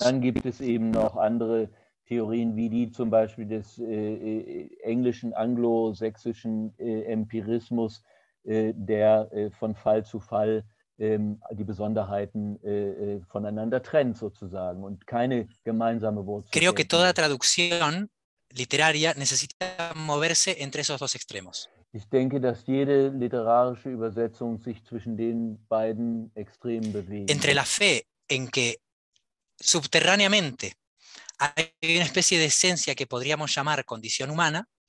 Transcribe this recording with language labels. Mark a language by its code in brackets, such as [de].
[de] Dann gibt es eben noch andere Theorien, wie die zum Beispiel des englischen anglo-sächsischen Empirismus, der von Fall zu Fall die Besonderheiten voneinander trennt, sozusagen, und keine gemeinsame Wurzel. [es] Creo que toda traducción literaria necesita moverse entre esos dos extremos. [de] Ich denke, dass jede literarische Übersetzung sich zwischen den beiden Extremen bewegt. [es] Entre la fe en que subterráneamente hay una especie de esencia que podríamos llamar condición humana.